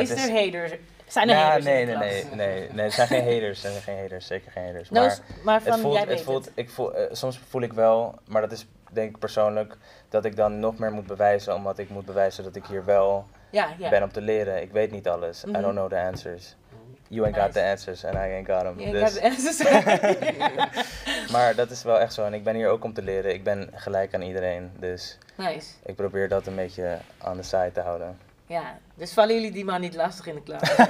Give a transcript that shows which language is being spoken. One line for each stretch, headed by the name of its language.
Dutch: is er haters? Zijn er haters nee, in de klas? Nee, het zijn geen haters. Er zijn geen haters, zeker geen haters. No, maar van, jij weet het. Soms voel ik wel, maar dat is denk ik persoonlijk, dat ik dan nog meer moet bewijzen, omdat ik moet bewijzen dat ik hier wel ben om te leren. Ik weet niet alles. Mm-hmm. I don't know the answers.
English: You ain't got the answers and I ain't got them. You ain't got the answers.
Dutch: Maar dat is wel echt zo. En ik ben hier ook om te leren. Ik ben gelijk aan iedereen. Dus nice. Ik probeer dat een beetje aan de side te houden. Ja, dus vallen jullie die man niet lastig in de klas?